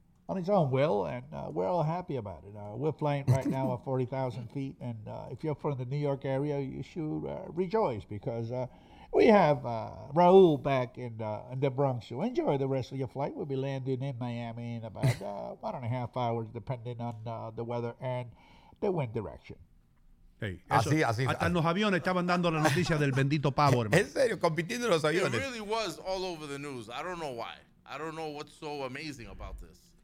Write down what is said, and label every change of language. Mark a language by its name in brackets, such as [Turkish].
[English] On its own will, and we're all happy about it. We're flying right now at 40,000 feet, and if you're from the New York area, you should rejoice, because we have Raul back in the Bronx. So enjoy the rest of your flight. We'll be landing in Miami in about 1.5 hours, depending on the weather and the wind direction. Hey, [Spanish] así, así. Hasta en los aviones estaban dando la noticia del bendito pavo, hermano. En serio, compitiendo en los aviones. [English] It really was all over the news. I don't know why. I don't know what's so amazing about this.